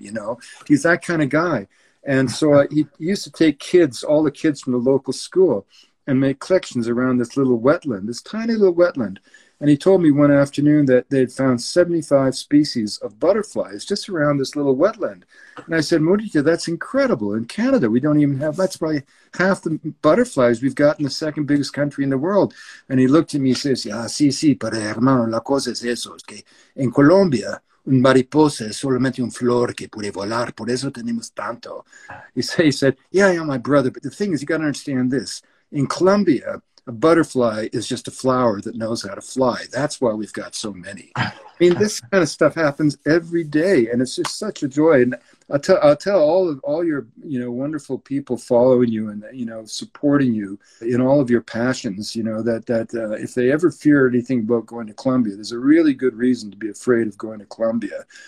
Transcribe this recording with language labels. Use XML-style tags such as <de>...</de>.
<en>You know, he's that kind of guy. And so he used to take kids, all the kids from the local school, and make collections around this little wetland, this tiny little wetland. And he told me one afternoon that they had found 75 species of butterflies just around this little wetland. And I said, Murita, that's incredible. In Canada, we don't even have, that's probably half the butterflies we've got in the second biggest country in the world. And he looked at me and says, yeah,</en> <es>sí, sí, pero hermano, la cosa es eso, es que en Colombia, un mariposa es solamente un flor que puede volar, por eso tenemos tanto.</es> <en>He said, yeah, my brother, but the thing is, you got to understand this. In Colombia, a butterfly is just a flower that knows how to fly. That's why we've got so many. I mean, this kind of stuff happens every day, and it's just such a joy. And I'll tell all your, you know, wonderful people following you and, you know, supporting you in all of your passions, you know, that if they ever fear anything about going to Colombia, there's a really good reason to be afraid of going to Colombia.</en>